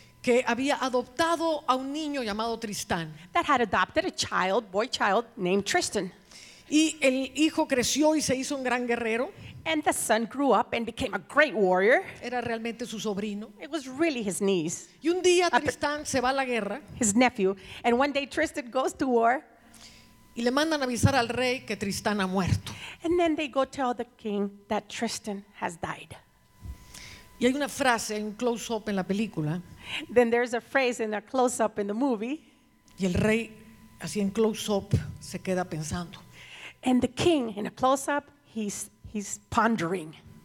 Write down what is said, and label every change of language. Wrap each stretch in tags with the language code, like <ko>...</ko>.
<es>Que había adoptado a un niño llamado Tristán.</es> <en>That had adopted a child, boy child named Tristan.</en> <es>Y el hijo creció y se hizo un gran guerrero.</es> <en>And the son grew up and became a great warrior.</en> <es>Era realmente su sobrino.</es> <en>It was really his niece.</en> <es>Y un día Tristán se va a la guerra.</es> <en>His nephew. And one day Tristan goes to war.</en> <es>Y le mandan avisar al rey que Tristán ha muerto.</es> <en>And then they go tell the king that Tristan has died.</en> <es>Y hay una frase, un close-up en la película.</es> <en>Then there's a phrase in a close-up in the movie.</en> <es>Y el rey, así en close-up, se queda pensando.</es> <en>And the king, in a close-up, he's pondering.</en>